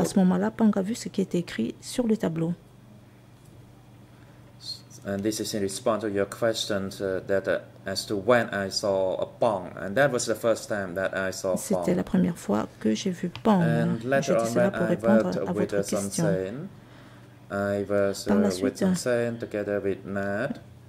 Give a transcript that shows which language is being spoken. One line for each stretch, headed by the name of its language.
French: À ce moment-là, Pum a vu ce qui était écrit sur le tableau.
English: And this is in response to your question that as to when I saw a Pong, and that was the first time that I saw Pong.
French: C'était la première fois que j'ai vu Pong.
English: And later on, when I worked with Sun Sen, I was with Sun Sen together with Nat.